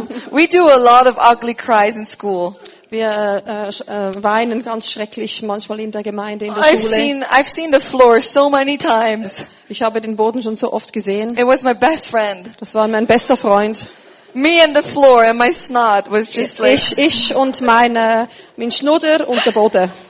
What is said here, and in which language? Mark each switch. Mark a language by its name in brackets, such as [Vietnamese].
[English] We do a lot of ugly cries in school. [German] Wir weinen ganz schrecklich manchmal in der Gemeinde, in der Schule. [English] I've seen the floor so many times. [German] Ich habe den Boden schon so oft gesehen. [English] It was my best friend. [German] Das war mein bester Freund. [English] Me and the floor and my snot was just like [German] ich und mein Schnudder und der Boden.